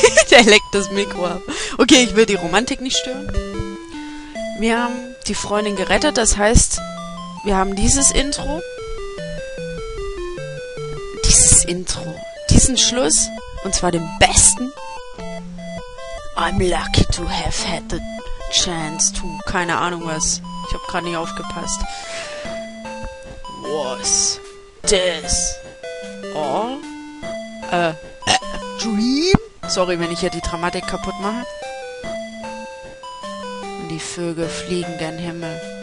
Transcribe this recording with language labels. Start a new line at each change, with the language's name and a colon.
German: Der leckt das Mikro ab. Okay, ich will die Romantik nicht stören. Wir haben die Freundin gerettet, das heißt, wir haben dieses Intro. Dieses Intro. Diesen Schluss, und zwar den besten.
English: I'm lucky to have had the chance to...
German: Keine Ahnung was. Ich habe gerade nicht aufgepasst.
English: Was this all a dream?
German: Sorry, wenn ich hier die Dramatik kaputt mache. Und die Vögel fliegen gen Himmel.